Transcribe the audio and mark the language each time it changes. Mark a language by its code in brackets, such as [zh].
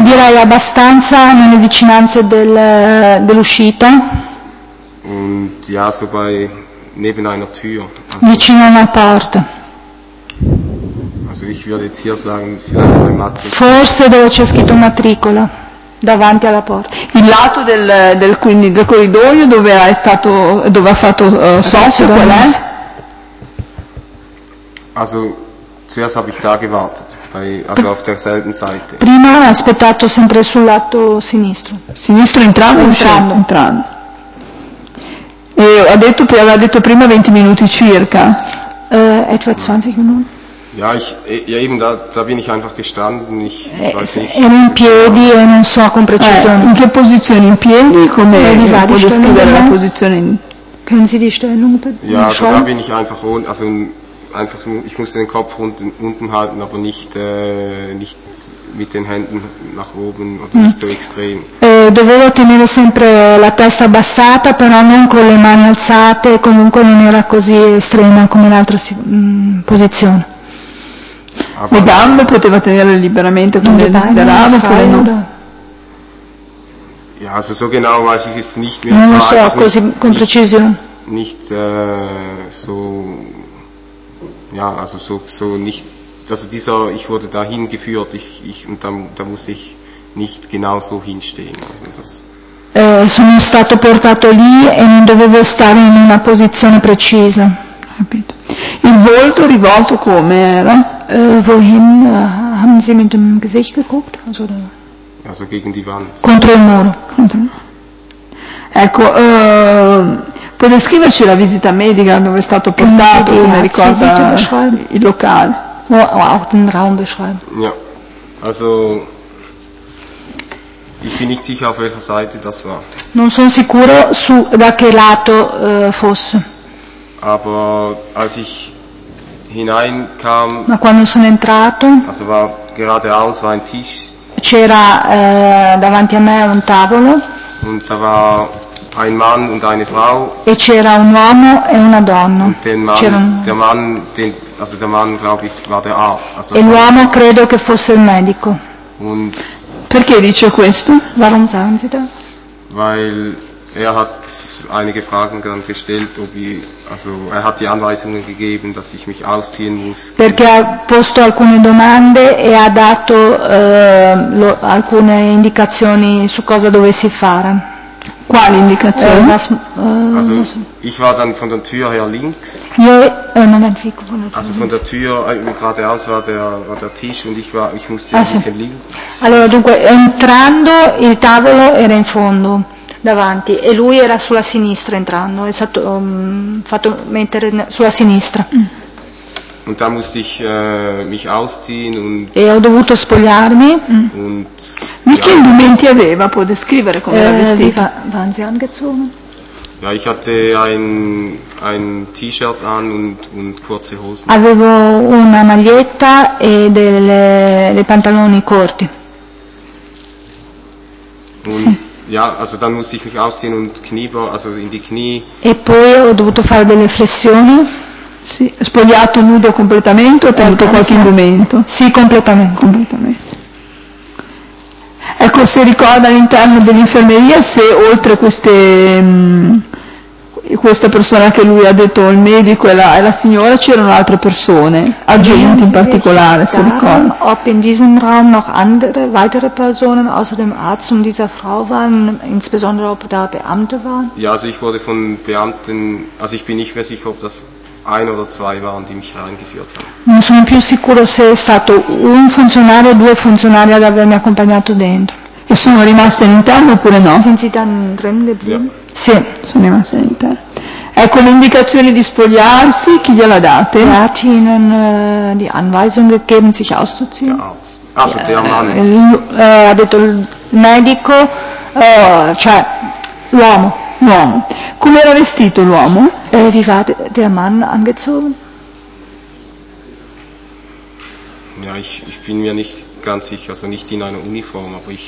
[it] direi abbastanza nelle vicinanze del, dell'uscita. [de] Und ja, so bei, neben einer Tür. [it] Also, vicino a una porta. [de] Also ich würde jetzt hier sagen, vielleicht bei Matrix. [it] Forse dove c'è scritto matricola. Davanti alla porta. Il lato del, del, quindi, del corridoio dove è stato, dove ha fatto socio, qual è? [de] Also, zuerst habe ich da gewartet, bei, also auf derselben Seite. [it] Prima ha aspettato sempre sul lato sinistro. Sinistro entrando? Entrando. Entrando. E ha detto, aveva detto prima 20 minuti circa. [de] Etwa 20 minuti. Ja, ich, ja, eben da, da bin ich einfach gestanden. Ich, weiß nicht. [it] Ero in piedi e non so con precisione. In che posizione? In piedi? Come può descrivere la posizione? [de] Können Sie die Stellung ja, also da bin ich einfach unten, also einfach, ich musste den Kopf unten, unten halten, aber nicht, nicht mit den Händen nach oben oder nicht so extrem. [it] Dovevo tenere sempre la testa abbassata, però non con le mani alzate, comunque non era così estrema come l'altra posizione. Le gambe poteva tenere liberamente come desiderava oppure no? [de] Ja, also so genau weiß ich es nicht mehr. [it] Non lo so, così con precisione. [de] Nicht so, ja, also so, so nicht, also dieser, ich wurde dahin geführt, ich, ich, und da, da muss ich nicht genau so hinstehen. Also das, [it] sono stato portato lì e non dovevo stare in una posizione precisa. Capito. Il volto rivolto come era? [de] Wohin haben Sie mit dem Gesicht geguckt? Also, da? Also gegen die Wand. [it] Contro il muro. Contro. Ecco, puoi descriverci la visita medica dove è stato portato, come ricorda il locale? O [de] auch den Raum beschreiben. Ja, also ich bin nicht sicher auf welcher Seite das war. [it] Non sono sicuro su da che lato fosse. [de] Aber als ich hineinkam, [it] ma quando sono entrato, [de] also war geradeaus, war ein Tisch, [it] c'era davanti a me un tavolo [de] und da war ein Mann und eine Frau, [it] e c'era un uomo e una donna. E l'uomo credo che fosse il medico. [de] Und [it] perché dice questo? [de] Warum sagen Sie das? Weil er hat einige Fragen dann gestellt, ob ich, also er hat die Anweisungen gegeben, dass ich mich ausziehen muss. [it] Perché ha posto alcune domande e ha dato alcune indicazioni su cosa dovessi fare. Quali indicazioni? [de] Also ich war dann von der Tür her links. [it] Io [de] also von der Tür geradeaus war der Tisch und ich war, ich musste ah, ein bisschen links. [it] Allora dunque entrando il tavolo era in fondo. Davanti e lui era sulla sinistra entrando, è stato fatto mettere sulla sinistra. [de] Und da musste ich mich ausziehen und [it] e ho dovuto spogliarmi. [de] Und [it] ja, che indumenti aveva? Può descrivere come era vestito? [de] Waren Sie angezogen? Ja, ich hatte ein T-Shirt an und kurze Hosen. [it] Avevo una maglietta e delle le pantaloni corti. [de] Und [it] sì. [de] Ja, also dann musste ich mich ausziehen und Knie, also in die Knie. [it] E poi ho dovuto fare delle flessioni. Sì, spogliato nudo completamente o tenuto qualche indumento? Sì, completamente. Completamente. Ecco, si ricorda all'interno dell'infermeria se oltre queste questa persona che lui ha detto, il medico e la signora, c'erano altre persone, agenti in particolare, se ricordo. [de] Ob in diesem Raum noch andere, weitere Personen, außer dem Arzt und dieser Frau waren, insbesondere ob da Beamte waren? Ja, also ich wurde von Beamten, also ich bin nicht mehr sicher, ob das ein oder zwei waren, die mich reingeführt haben. [it] Non sono più sicuro se è stato un funzionario o due funzionari ad avermi accompagnato dentro. E sono rimaste all'interno oppure no? Sì, sono rimaste all'interno. Ecco l'indicazione di spogliarsi, chi gliela date? [de] Hat ihnen die Anweisung gegeben, sich auszuziehen? [it] Ha detto il medico, cioè l'uomo. L'uomo. Come era vestito l'uomo? [de] Wie war der Mann angezogen? Ja, ich bin mir nicht ganz sicher, also nicht in einer Uniform, aber ich.